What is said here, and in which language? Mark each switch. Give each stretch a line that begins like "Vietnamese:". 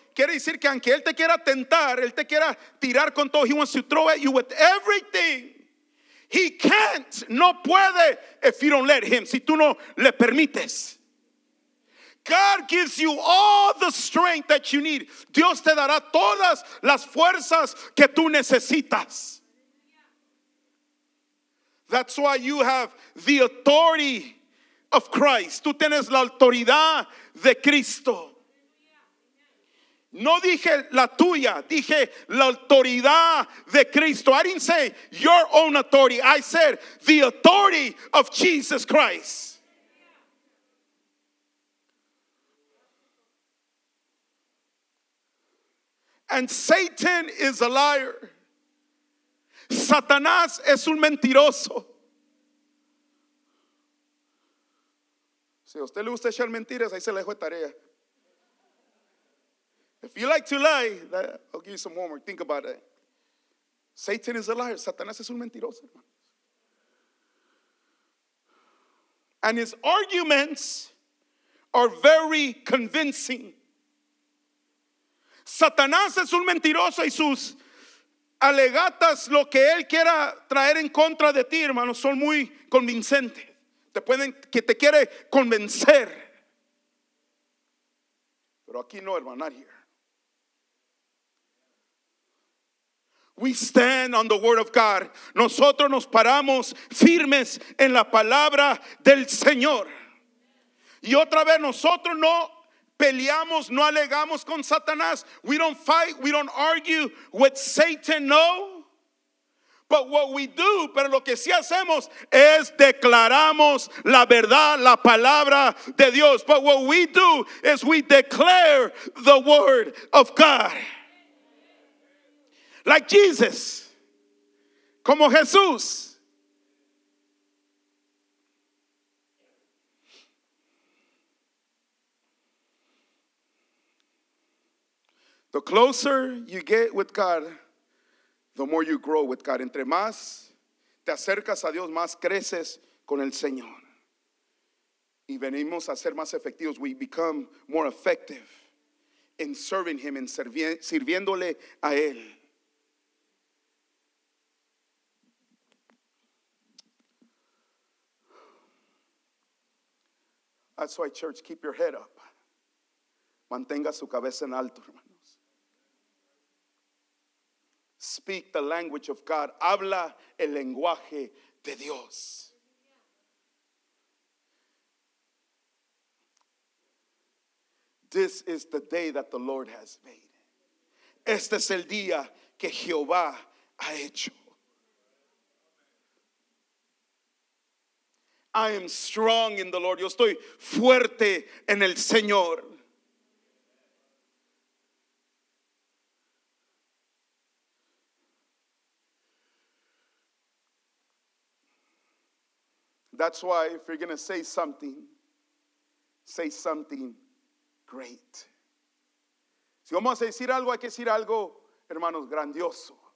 Spanish: Quiere decir que aunque él te quiera tentar, él te quiera tirar con todo,
English: he wants to throw at you with everything. He can't,
Spanish: no puede,
English: if you don't let him,
Spanish: si tú no le permites.
English: God gives you all the strength that you need.
Spanish: Dios te dará todas las fuerzas que tú necesitas.
English: That's why you have the authority of Christ.
Spanish: Tú tienes la autoridad de Cristo. No dije la tuya, dije la autoridad de Cristo.
English: I didn't say your own authority. I said the authority of Jesus Christ. And Satan is a liar.
Spanish: Satanás es un mentiroso. Si a usted le gusta echar mentiras, ahí se le dejo de tarea.
English: If you like to lie, I'll give you some homework. Think about it. Satan is a liar.
Spanish: Satanás es un mentiroso, hermanos.
English: And his arguments are very convincing.
Spanish: Satanás es un mentiroso y sus alegatas, lo que él quiera traer en contra de ti, hermanos, son muy convincentes. Te pueden, que te quiere convencer. Pero aquí no, hermano,
English: not here. We stand on the word of God.
Spanish: Nosotros nos paramos firmes en la palabra del Señor. Y otra vez, nosotros no peleamos, no alegamos con Satanás.
English: We don't fight, we don't argue with Satan, no. But what we do,
Spanish: pero lo que sí hacemos es declaramos la verdad, la palabra de Dios.
English: But what we do is we declare the word of God. Like Jesus,
Spanish: como Jesús.
English: The closer you get with God, the more you grow with God.
Spanish: Entre más te acercas a Dios, más creces con el Señor. Y venimos a ser más efectivos.
English: We become more effective in serving Him, in
Spanish: sirviéndole a Él.
English: That's why, church, keep your head up.
Spanish: Mantenga su cabeza en alto, hermanos.
English: Speak the language of God.
Spanish: Habla el lenguaje de Dios.
English: This is the day that the Lord has made.
Spanish: Este es el día que Jehová ha hecho.
English: I am strong in the Lord.
Spanish: Yo estoy fuerte en el Señor.
English: That's why if you're going to say something great.
Spanish: Si vamos a decir algo, hay que decir algo, hermanos, grandioso.